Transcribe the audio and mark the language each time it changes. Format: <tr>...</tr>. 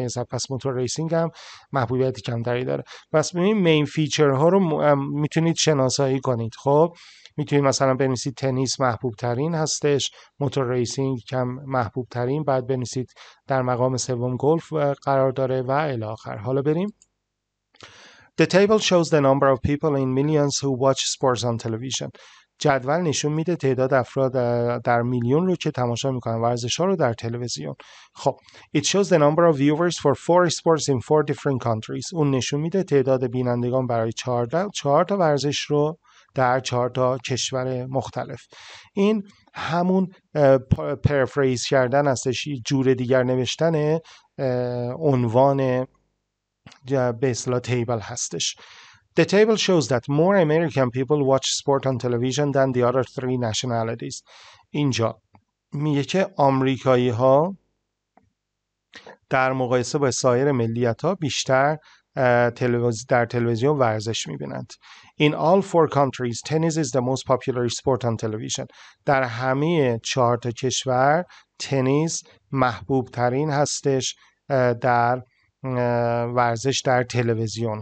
<fa>پس موتور ریسینگ هم محبوبیت کمتری داره. پس ببینید مین فیچر ها رو میتونید شناسایی کنید. خب میتونید مثلا بنویسید تنیس محبوب ترین هستش، موتور ریسینگ کم محبوب ترین، بعد بنویسید در مقام سوم گلف قرار داره و الی آخر. حالا بریم.</fa> <en>The table shows the number of people in millions who watch sports on television.</en> <fa>جدول نشون میده تعداد افراد در میلیون رو که تماشا میکنن ورزش ها رو در تلویزیون.</fa> <en>خب it shows the number of viewers for four sports in four different countries.</en> <fa>اون نشون میده تعداد بینندگان برای چهار تا ورزش رو در چهار تا کشور مختلف. این همون پرفریز کردن هستش، جور دیگر نوشتن عنوان به اصطلاح تیبل هستش.</fa> <en>The table shows that more American people watch sport on television than the other three nationalities.</en> <fa>اینجا میگه که آمریکایی ها در مقایسه با سایر ملیت ها بیشتر در تلویزیون ورزش میبینند.</fa> <en>In all four countries, tennis is the most popular sport on television.</en> <fa>در همه چهار تا کشور تنیس محبوب ترین هستش در ورزش در تلویزیون.</fa>